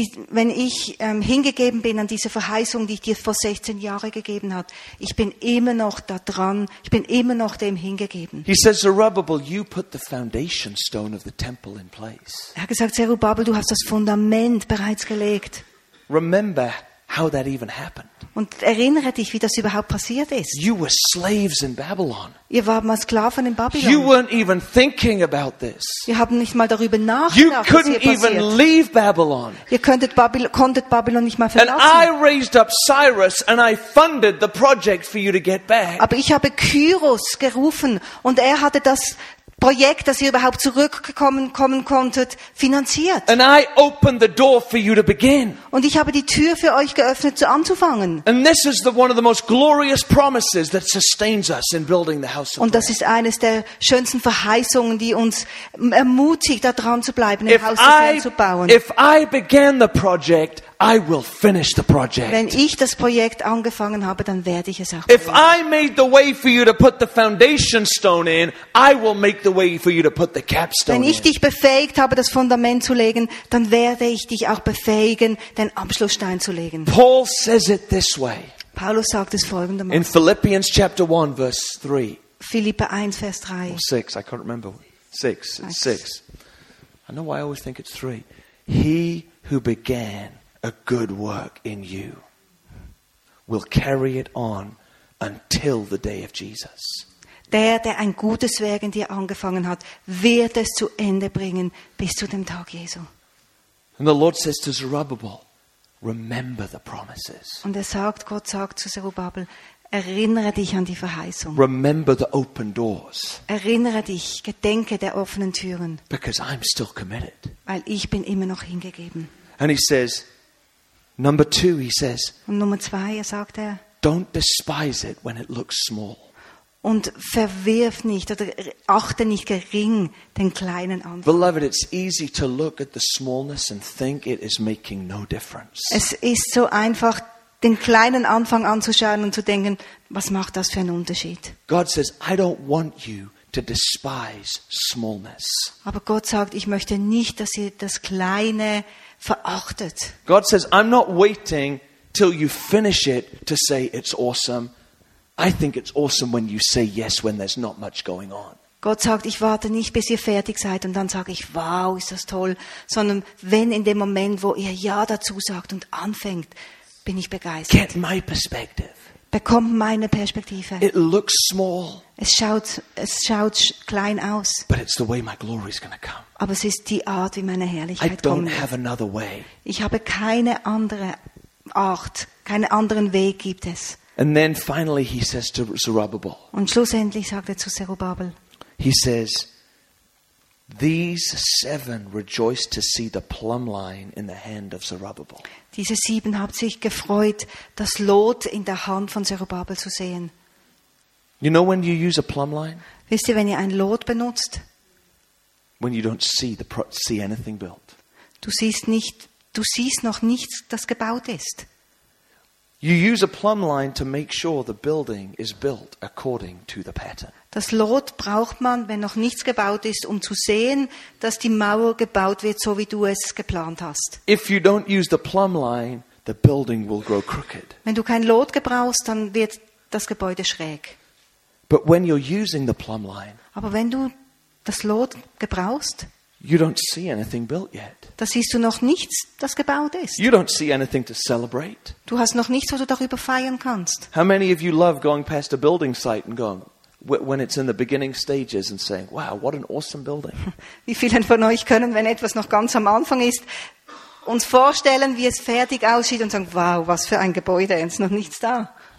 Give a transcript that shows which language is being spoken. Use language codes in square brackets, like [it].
[de] Wenn ich hingegeben bin an diese Verheißung, die ich dir vor 16 Jahren gegeben habe, ich bin immer noch da dran, ich bin immer noch dem hingegeben. [en] He says, Zerubbabel, you put the foundation stone of the temple in place. [de] Er hat gesagt, Zerubbabel, du hast das Fundament bereits gelegt. [en] Remember how that even happened. [de] Und erinnere dich, wie das überhaupt passiert ist. [en] You were slaves in Babylon. [de] Ihr wart mal Sklaven in Babylon. [en] You weren't even thinking about this. [de] Ihr habt nicht mal darüber nachgedacht, [en] you couldn't even leave Babylon. [de] Ihr konntet Babylon nicht mal verlassen. [en] And I raised up Cyrus and I funded the project for you to get back. [de] Aber ich habe Kyros gerufen und er hatte das Projekt, das ihr überhaupt zurückkommen konntet, finanziert. [en] And I opened the door for you to begin. [de] Und ich habe die Tür für euch geöffnet, zu anzufangen. [en] And this is one of the most glorious promises that sustains us in building the house of [de] God. Und das ist eines der schönsten Verheißungen, die uns ermutigt, da dran zu bleiben, im Haus des Herrn zu bauen. [en] If I began the project, I will finish the project. [de] Wenn ich das Projekt angefangen habe, dann werde ich es auch. [en] If I made the way for you to put the foundation stone in, I will make the way for you to put the capstone in. [de] Wenn ich dich befähigt habe, das Fundament zu legen, dann werde ich dich auch befähigen, den Abschlussstein zu legen. [en] Paul says it this way. [de] Paulus sagt es folgendermaßen. [en] In Philippians chapter 1 verse 3. [de] Philipper 1 Vers 3. [en] Or 6, I can't remember. 6, it's 6. I know why I always think it's 3. He who began a good work in you will carry it on until the day of Jesus. [de] Der ein gutes Werk in dir angefangen hat, wird es zu Ende bringen bis zu dem Tag Jesu. [en] And the Lord says to Zerubbabel, remember the promises. [de] Und Gott sagt zu Zerubbabel, Erinnere dich an die Verheißung. [en] Remember the open doors. [de] Erinnere dich, gedenke der offenen Türen. [en] Because I'm still committed. [de] Weil ich bin immer noch hingegeben. [en] And he says, number two, he says. [de] Und Nummer zwei, er sagt er. [en] Don't despise it when it looks small. [de] Und verwirf nicht oder achte nicht gering den kleinen Anfang. [en] Beloved, it's easy to look at the smallness and think it is making no difference. [de] Es ist so einfach, den kleinen Anfang anzuschauen und zu denken, was macht das für einen Unterschied? [en] God says, I don't want you to despise smallness. [de] Aber Gott sagt, ich möchte nicht, dass ihr das Kleine verachtet. [en] God says, I'm not waiting till you finish it to say it's awesome. I think it's awesome when you say yes when there's not much going on. [de] Gott sagt, ich warte nicht, bis ihr fertig seid und dann sage ich, wow, ist das toll, sondern wenn in dem Moment, wo ihr ja dazu sagt und anfängt, bin ich begeistert. [en] Get my perspective. [de] Bekommt meine Perspektive. [en] It looks small. [de] Es schaut klein aus. [en] But it's the way my glory is going to come. [de] Aber es ist die Art, wie meine Herrlichkeit kommt. [en] I don't have another way. [de] Ich habe keine andere Art, keinen anderen Weg gibt es. [en] And then finally he says to Zerubbabel. [de] Und schlussendlich sagt er zu Zerubbabel. [en] He says, these seven rejoiced to see the plumb line in the hand of Zerubbabel. [de] Diese sieben haben sich gefreut, das Lot in der Hand von Zerubbabel zu sehen. [en] You know when you use a plumb line? [de] Wisst ihr, wenn ihr ein Lot benutzt? [en] When you don't see anything built. [de] Du siehst noch nichts, das gebaut ist. [en] You use a plumb line to make sure the building is built according to the pattern. [de] Das Lot braucht man, wenn noch nichts gebaut ist, um zu sehen, dass die Mauer gebaut wird, so wie du es geplant hast. [en] If you don't use the plumb line, the building will grow crooked. [de] Wenn du kein Lot gebrauchst, dann wird das Gebäude schräg. [en] But when you're using the plumb line, [de] aber wenn du das Lot gebrauchst, [en] you don't see anything built yet. [de] Da siehst du noch nichts, das gebaut ist. [en] You don't see anything to celebrate. [de] Du hast noch nichts, wo du darüber feiern kannst. [en] How many of you love going past a building site and going, when it's in the beginning stages and saying, wow, what an awesome building. [de] Wie viele von euch können, wenn etwas noch ganz am Anfang ist, uns vorstellen, wie es fertig aussieht und sagen, wow, was für ein Gebäude, es ist noch nichts da.